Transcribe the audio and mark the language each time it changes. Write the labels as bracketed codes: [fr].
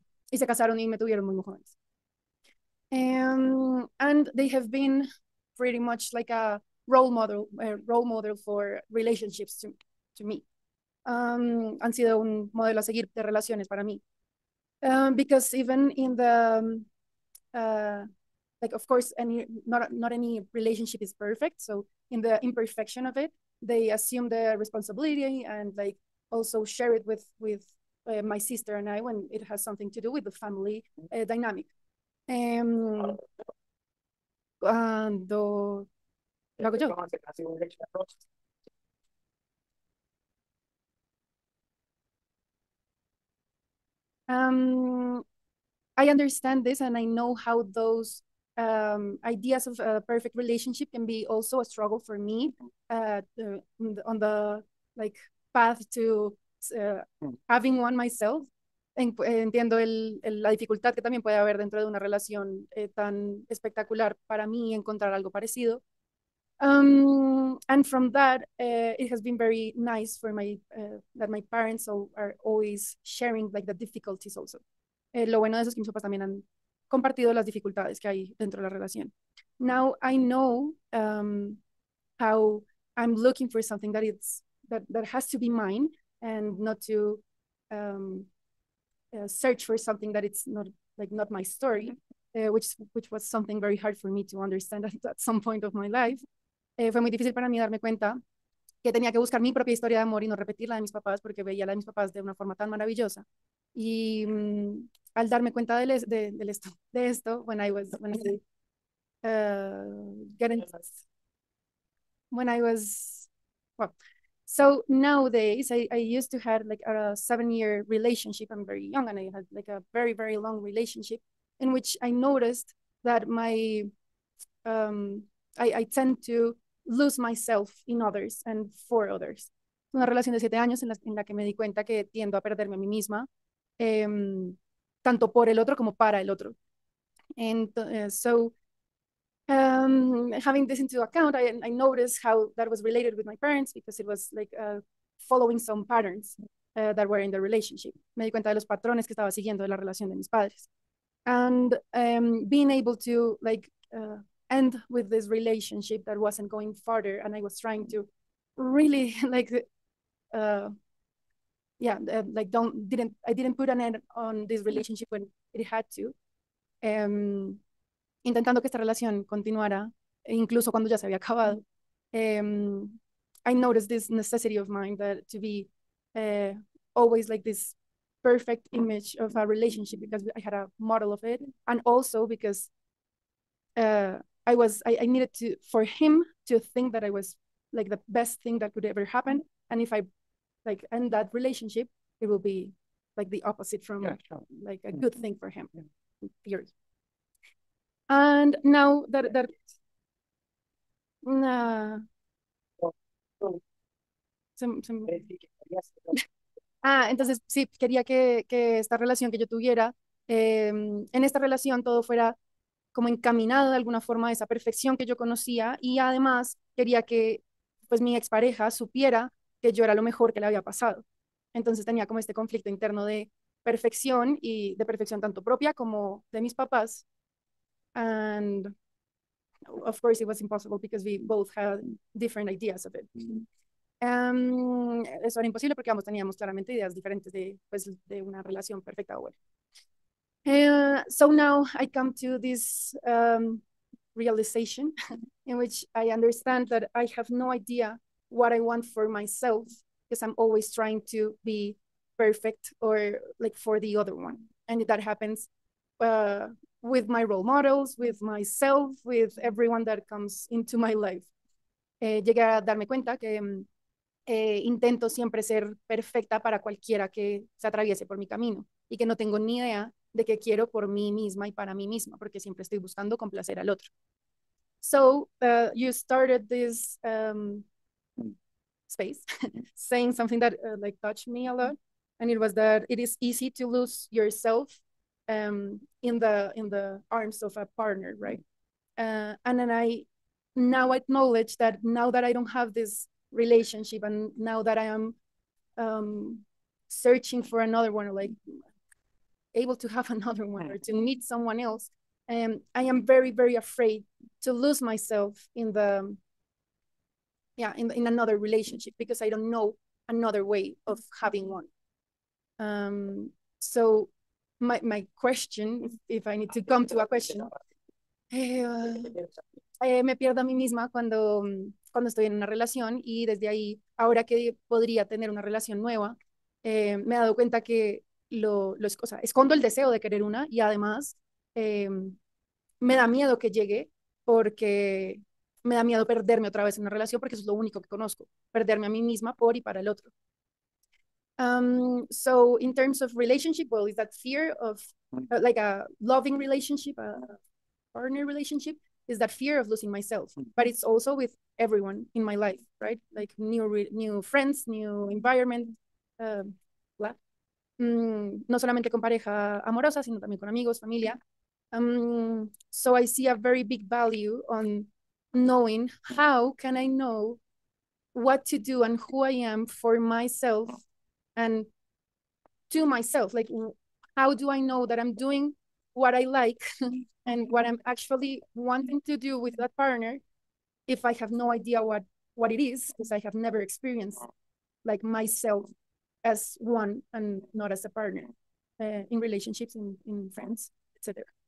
[es] Y se casaron y me tuvieron muy jóvenes. [en] And they have been pretty much like a role model for relationships to me. [es] Han sido un modelo a seguir de relaciones para mí. [en] Because even in the... like, of course, not any relationship is perfect. So in the imperfection of it, they assume the responsibility and like also share it with my sister and I when it has something to do with the family dynamic. [es] Cuando lo hago yo. [en] I understand this and I know how those ideas of a perfect relationship can be also a struggle for me on the like path to having one myself. [es] Entiendo la dificultad que también puede haber dentro de una relación tan espectacular para mí encontrar algo parecido. [en] And from that, it has been very nice for my that my parents are always sharing like the difficulties also. [es] Lo bueno de eso es que mis papás también han compartido las dificultades que hay dentro de la relación. [en] Now I know how I'm looking for something that it's that has to be mine and not to search for something that it's not like not my story, which was something very hard for me to understand at some point of my life. [es] Fue muy difícil para mí darme cuenta que tenía que buscar mi propia historia de amor y no repetir la de mis papás porque veía la de mis papás de una forma tan maravillosa. Y al darme cuenta de esto, [en] so nowadays I used to have like a 7-year relationship. I'm very young and I had like a very, very long relationship in which I noticed that my I tend to lose myself in others and for others. [es] Una relación de 7 años en la que me di cuenta que tiendo a perderme a mí misma. Tanto por el otro como para el otro. [en] So having this into account, I noticed how that was related with my parents because it was like following some patterns that were in the relationship. [es] Me di cuenta de los patrones que estaba siguiendo de la relación de mis padres. [en] And being able to like end with this relationship that wasn't going farther and I was trying to really like... I didn't put an end on this relationship when it had to. Intentando que esta relación continuara, incluso cuando ya se había acabado. I noticed this necessity of mine that to be always like this perfect image of a relationship because I had a model of it. And also because I needed to, for him to think that I was like the best thing that could ever happen. And if I like end that relationship, it will be like the opposite from like a good thing for him, in theory. And now that [es] entonces sí quería que esta relación que yo tuviera en esta relación todo fuera como encaminado de alguna forma a esa perfección que yo conocía y además quería que pues mi expareja supiera que yo era lo mejor que le había pasado. Entonces tenía como este conflicto interno de perfección y de perfección tanto propia como de mis papás. [en] And of course it was impossible because we both had different ideas of it. [es] Eso era imposible porque ambos teníamos claramente ideas diferentes de, pues, de una relación perfecta o bueno. [en] So now I come to this realization in which I understand that I have no idea what I want for myself because I'm always trying to be perfect or like for the other one. And that happens with my role models, with myself, with everyone that comes into my life. [es] Llegué a darme cuenta que intento siempre ser perfecta para cualquiera que se atraviese por mi camino y que no tengo ni idea de qué quiero por mí misma y para mí misma, porque siempre estoy buscando complacer al otro. [en] So you started this space saying something that like touched me a lot, and it was that it is easy to lose yourself in the arms of a partner, right? And then I now acknowledge that now that I don't have this relationship and now that I am searching for another one, or like able to have another one or to meet someone else, I am very, very afraid to lose myself in another relationship because I don't know another way of having one. So my question, if I need to come to a question, [es] me pierdo a mí misma cuando estoy en una relación y desde ahí, ahora que podría tener una relación nueva, me he dado cuenta que escondo el deseo de querer una y además me da miedo que llegue porque me da miedo perderme otra vez en una relación porque eso es lo único que conozco, perderme a mí misma por y para el otro. [en] So in terms of relationship, well, is that fear of like a loving relationship, a partner relationship, is that fear of losing myself, but it's also with everyone in my life, right? Like new friends, new environment, [es] no solamente con pareja amorosa, sino también con amigos, familia. [en] So I see a very big value on knowing how can I know what to do and who I am for myself and to myself. Like, how do I know that I'm doing what I like and what I'm actually wanting to do with that partner if I have no idea what it is, because I have never experienced like myself as one and not as a partner in relationships, in friends, etc.